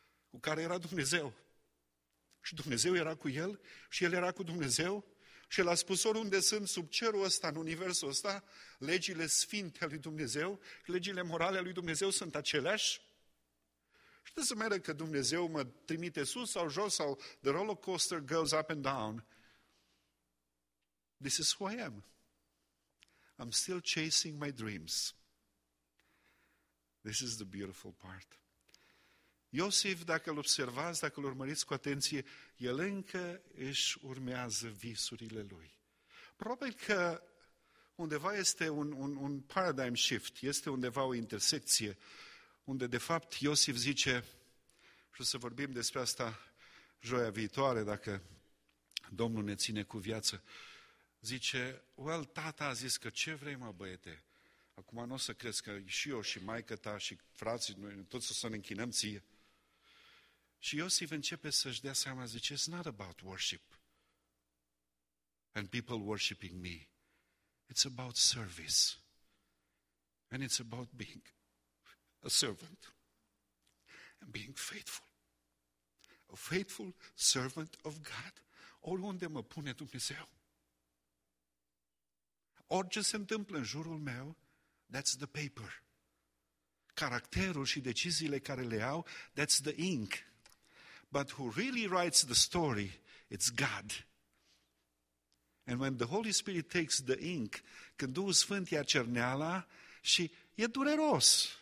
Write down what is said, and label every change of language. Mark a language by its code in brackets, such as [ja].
[ro] Cu care era Dumnezeu. Și Dumnezeu era cu el și el era cu Dumnezeu și el a spus oriunde sunt sub cerul ăsta, în universul ăsta, legile sfinte ale lui Dumnezeu, legile morale ale lui Dumnezeu sunt aceleași. Și trebuie să meargă că Dumnezeu mă trimite sus sau jos sau [en] the roller coaster goes up and down. This is who I am. I'm still chasing my dreams. This is the beautiful part. [ro] Iosif, dacă îl observați, dacă îl urmăriți cu atenție, el încă își urmează visurile lui. Probabil că undeva este un paradigm shift, este undeva o intersecție, unde de fapt Iosif zice, și o să vorbim despre asta joia viitoare, dacă Domnul ne ține cu viață, zice, well, tata a zis că ce vrei, mă, băiete? Acum nu o să crezi că și eu și maică ta și frații, noi toți o să ne închinăm ție. Și Iosif începe să-și dea seama, zice, [en] it's not about worship and people worshiping me. It's about service. And it's about being a servant and being faithful. A faithful servant of God. [ro] Oriunde mă pune Dumnezeu. Orice se întâmplă în jurul meu, [en] that's the paper. [ro] Caracterul și deciziile care le iau, [en] that's the ink. But who really writes the story, it's God. And when the Holy Spirit takes the ink, [ro] când Duhul Sfânt ia cerneala și e dureros.